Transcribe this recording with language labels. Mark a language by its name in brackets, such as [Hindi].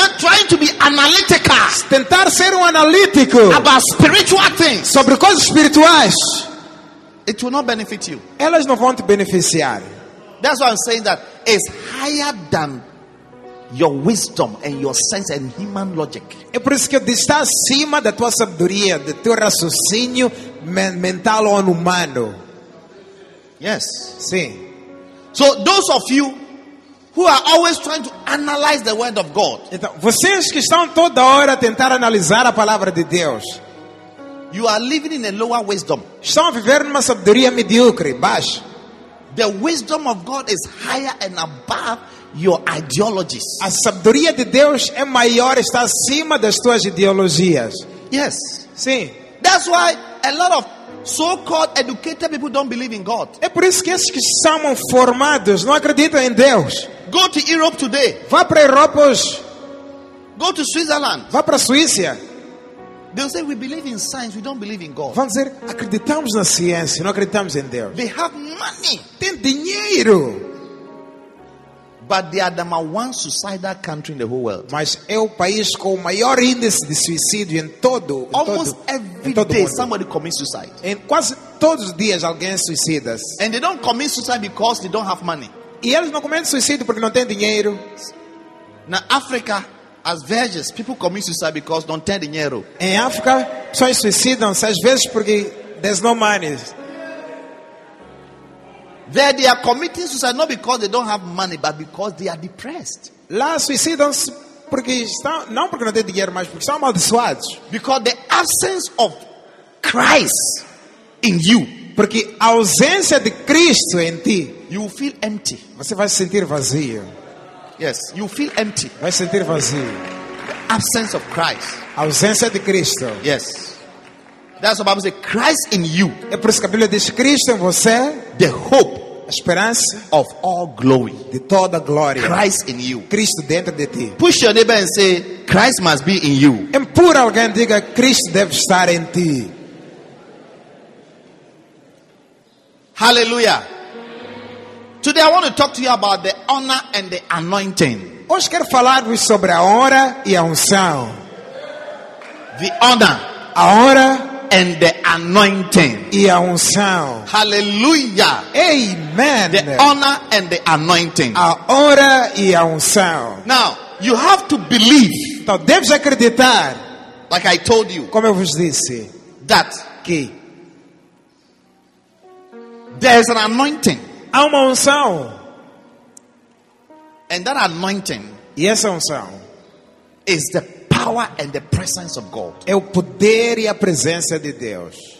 [English] Trying to be analytical. [Portuguese] Tentar ser analítico. [English] About spiritual things. [Portuguese] Sobre coisas espirituais. [English] It will not benefit you. [Portuguese] Elas não vão te beneficiar. [English] That's why I'm saying that it's higher than your wisdom and your sense and human logic. [Portuguese] É por isso que eu disse, está acima da tua sabedoria, do teu raciocínio mental ou humano. [English] Yes. [Portuguese] Sim. [English] So those of you who are always trying to analyze the word of God. [Portuguese] Então, vocês que estão toda hora a tentar analisar a palavra de Deus. [English] You are living in a lower wisdom. [Portuguese] Estão a viver numa sabedoria medíocre, baixa. [English] The wisdom of God is higher and above your ideologies. [Portuguese] A sabedoria de Deus é maior, está acima das tuas ideologias. [English] Yes. [Portuguese] Sim. [English] That's why a lot of so-called educated people don't believe in God. [Portuguese] É por isso que esses que são formados não acreditam em Deus. [English] Go to Europe today. [Portuguese] Vá para a Europa hoje. [English] Go to Switzerland. [Portuguese] Vá para a Suíça. [English] They'll say we believe in science, we don't believe in God. [Portuguese] Vão dizer, acreditamos na ciência, não acreditamos em Deus. [English] They have money. [Portuguese] Tem dinheiro. [English] But they are the number one suicidal country in the whole world. [Portuguese] Mas é o país com o maior índice de suicídio em todo o mundo. [English] Almost every day somebody commits suicide. [Portuguese] Em quase todos os dias alguém suicida. [English] And they don't commit suicide because they don't have money. [Portuguese] E eles não cometem suicídio porque não têm dinheiro. Na África, as vezes [English] people commit suicide because don't have dinheiro. [Portuguese] Em África, pessoas suicidam-se às vezes porque [English] there's no money. There they are committing suicide not because they don't have money but because they are depressed. [Portuguese] Lá suicidam-se porque estão, não porque não têm dinheiro, mas porque são amaldiçoados. [English] Because the absence of Christ in you, [Portuguese] porque a ausência de Cristo em ti, [English] you feel empty. [Portuguese] Você vai se sentir vazio. [English] Yes, you feel empty. [Portuguese] Vai sentir vazio. [English] The absence of Christ. [Portuguese] A ausência de Cristo. [English] Yes. That's what the Bible says, Christ in you. [Portuguese] É por isso que a Bíblia diz Cristo em você, [English] the hope, [Portuguese] a esperança [English] of all glory. [Portuguese] De toda glória. [English] Christ in you. [Portuguese] Cristo dentro de ti. [English] Push your neighbor and say, Christ must be in you. [Portuguese] Empurra alguém e diga, Cristo deve estar em ti. [English] Hallelujah. Today I want to talk to you about the honor and the anointing. [Portuguese] Hoje quero falar-vos sobre a honra e a unção. [English] The honor, [Portuguese] a honra, [English] and the anointing, [Portuguese] e a unção. [English] Hallelujah. Amen. The honor and the anointing, [Portuguese] a honra e a unção. [English] Now you have to believe. [Portuguese] Então deves acreditar. [English] Like I told you. [Portuguese] Como eu vos disse. [English] That [Portuguese] que [English] there is an anointing. [Portuguese] Há uma unção. [English] And that anointing, [Portuguese] e essa unção, [English] is the power and the presence of God. [Portuguese] É o poder e a presença de Deus.